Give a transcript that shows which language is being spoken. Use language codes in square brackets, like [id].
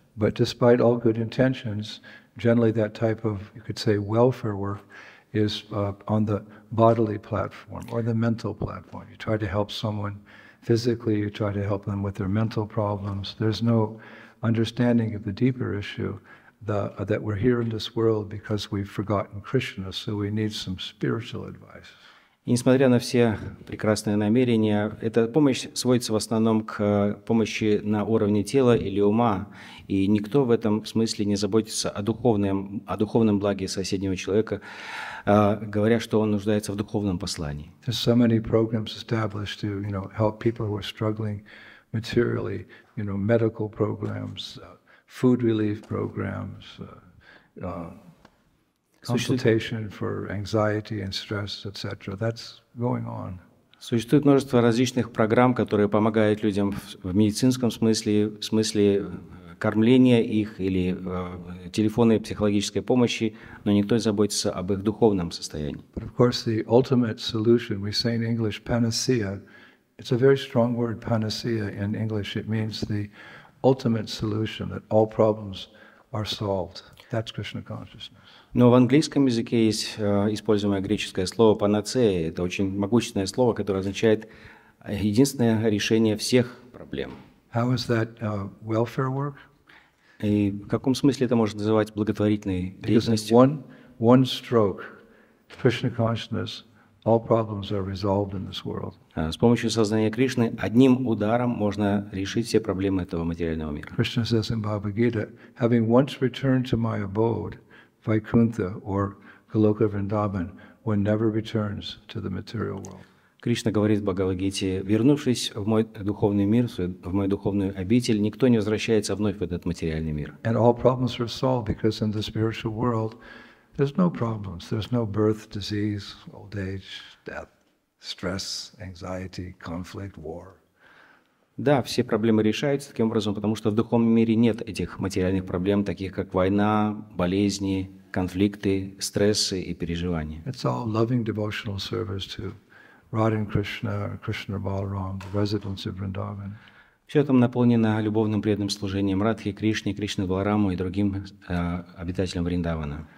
[en] But despite all good intentions, generally that type of, you could say, welfare work is on the bodily platform or the mental platform. You try to help someone physically, you try to help them with their mental problems. There's no understanding of the deeper issue that we're here in this world because we've forgotten Krishna, so we need some spiritual advice. [ru] И несмотря на все прекрасные намерения, эта помощь сводится в основном к помощи на уровне тела или ума, и никто в этом смысле не заботится о духовном благе соседнего человека, говоря, что он нуждается в духовном послании. [en] There's so many programs established to, you know, help people who are struggling materially, you know, medical programs, food relief programs, consultation for anxiety and stress, etc. That's going on. [ru] Существует множество различных программ, которые помогают людям в медицинском смысле, в смысле кормления их или телефонной и психологической помощи, но никто не заботится об их духовном состоянии. [en] But of course, the ultimate solution, we say in English, panacea. It's a very strong word, panacea, in English. It means the ultimate solution, that all problems are solved. That's Krishna consciousness. [ru] Но в английском языке есть используемое греческое слово «панацея». Это очень могущественное слово, которое означает единственное решение всех проблем. [en] How is that, welfare work? [ru] И в каком смысле это можно называть благотворительной деятельностью? [en] One, one stroke, Krishna consciousness, all problems are resolved in this world. [ru] С помощью сознания Кришны одним ударом можно решить все проблемы этого материального мира. [en] Krishna says in Bhagavad Gita, having once returned to my abode, Vaikuntha or Goloka Vrindavan, one never returns to the material world. [ru] Кришна говорит в Бхагавад-гите, вернувшись в мой духовный мир, в мою духовную обитель, никто не возвращается вновь в этот материальный мир. [en] And all problems are solved because in the spiritual world there's no problems, there's no birth, disease, old age, death, stress, anxiety, conflict, war. [ru] Да, все проблемы решаются таким образом, потому что в духовном мире нет этих материальных проблем, таких как война, болезни, конфликты, стрессы и переживания. [en] It's all loving devotional service to Radha and Krishna, Krishna Balaram, the residents of Vrindavan. [ru] Все там наполнено любовным преданным служением Радхи, Кришне, Кришне Балараму и другим обитателям Вриндавана.